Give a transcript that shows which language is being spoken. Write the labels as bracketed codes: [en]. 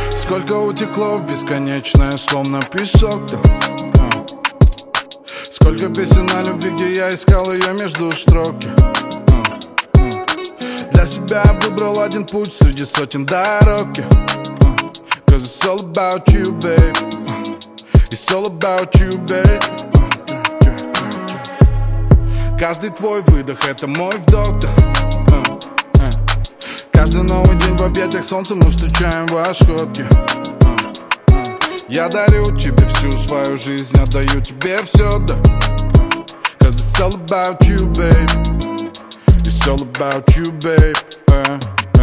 [ru] Утекло в бесконечное, словно песок, да. Сколько песен о любви, где я искал ее между строк, да. Для себя выбрал один путь среди сотен дорог, да. [en] Cause it's all about you, babe. It's all about you, babe. [ru] Каждый твой выдох — это мой вдох, да. Каждый новый день в объятиях солнца мы встречаем восход, да. Я дарю тебе всю свою жизнь, отдаю тебе все, да. [en] Cause it's all about you, babe. It's all about you, babe.